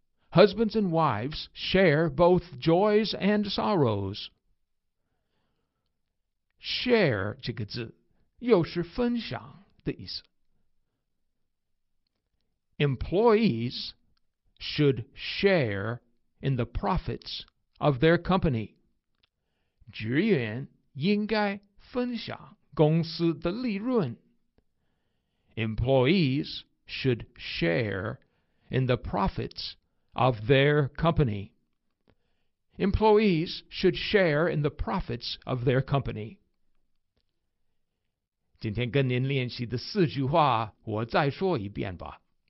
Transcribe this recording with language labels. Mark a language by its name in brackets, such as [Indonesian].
[English] Husbands and wives share both joys and sorrows. [Chinese] Share 这个字又是分享的意思。 [English] Employees should share in the profits of their company. [Chinese] 职员应该分享公司的利润。 [English] Employees should share in the profits of their company. Employees should share in the profits of their company. [Chinese] 今天跟您练习的四句话，我再说一遍吧。